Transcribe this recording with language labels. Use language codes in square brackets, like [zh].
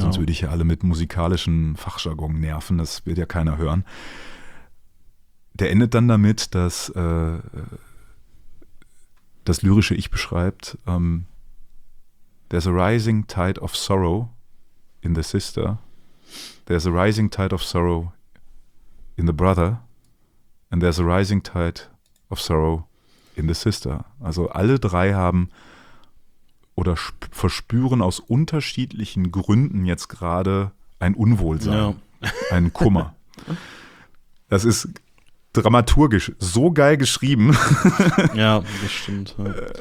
[de] Sonst würde ich ja alle mit musikalischem Fachjargon nerven, das wird ja keiner hören. Der endet dann damit, dass das lyrische Ich beschreibt, [en] there's a rising tide of sorrow in the sister. There's a rising tide of sorrow in the brother. And there's a rising tide of sorrow in the sister. [de] Also alle drei haben oder verspüren aus unterschiedlichen Gründen jetzt gerade ein Unwohlsein, ja, einen Kummer. Das ist dramaturgisch so geil geschrieben. Ja, das stimmt. Ja.